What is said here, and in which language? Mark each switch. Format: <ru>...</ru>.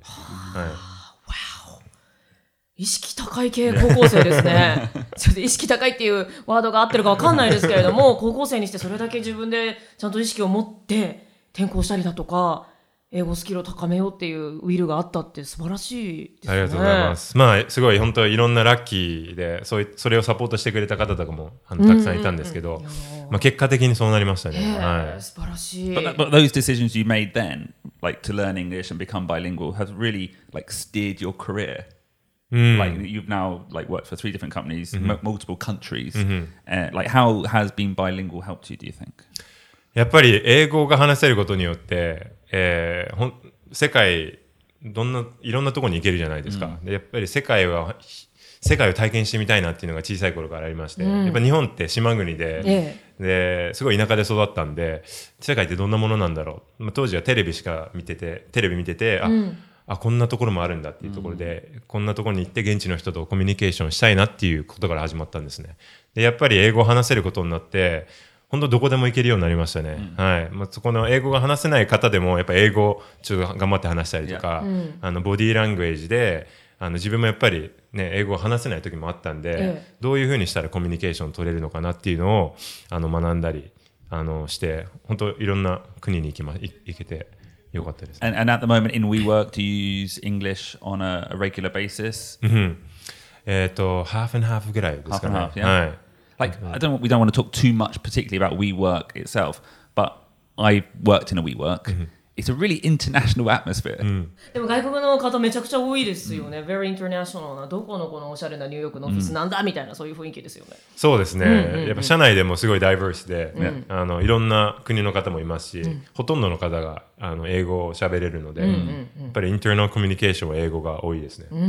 <ja>はい、わお、意識高い系高校生ですねちょっと意識高いっていうワードが合ってるか分かんないですけれども高校生にしてそれだけ自分でちゃんと意識を持って転校したりだとか、英語スキルを高めようっていうウィルがあったって素晴らしいですね。ありがとうございます。まあすごい、本当いろんなラッキーで、そう、それをサポートしてくれた方とかもたくさんいたんですけど、うんうんうん、まあ、結果的にそうなりましたね、はい、素晴らしい。</ja> <en>but those decisions you made then, like to learn English and become bilingual, have really like steered your career、</en> <ja>うん、</ja> <en>like you've now like worked for three different companies、うん、multiple countries、うん、like how has being bilingual helped you, do you think?</en> <ja>やっぱり英語が話せることによって、世界どんないろんなところに行けるじゃないですか、うん、でやっぱり世界を体験してみたいなっていうのが小さい頃からありまして、うん、やっぱ日本って島国で、ですごい田舎で育ったんで、世界ってどんなものなんだろう、まあ、当時はテレビしか見てて、テレビ見てて、あ、うん、あ、こんなところもあるんだっていうところで、うん、こんなところに行って現地の人とコミュニケーションしたいなっていうことから始まったんですね。でやっぱり英語を話せることになって、本当どこでも行けるようになりましたね、うん、はい、まあ、そこの英語が話せない方でもやっぱ英語ちょっと頑張って話したりとか、あのボディーラングエージで、あの自分もやっぱり、ね、英語を話せない時もあったんで、どういうふうにしたらコミュニケーション取れるのかなっていうのをあの学んだりあのして、本当いろんな国に行けてよかったです、</ja> <en>ね、and at the moment in WeWork do you use English on a regular basis? half and half</en> <ja>ぐらいですかね。</ja> <en>half and half、 yeah、</en> <ja>はい。</ja> <en>Like, we don't want to talk too much particularly about WeWork itself, but I worked in a WeWork. It's a really international atmosphere.</en> <ja>でも外国の方めちゃくちゃ多いですよね。</ja> <en>Very international</en> <ja>な、どこのこのおしゃれなニューヨークのオフィスなんだみたいな、そういう雰囲気ですよね。そうですね。やっぱ社内でもすごいダイバースで、あの、いろんな国の方もいますし、ほとんどの方があの英語を喋れるので、やっぱりインターナルコミュニケーションは英語が多いですね。</ja>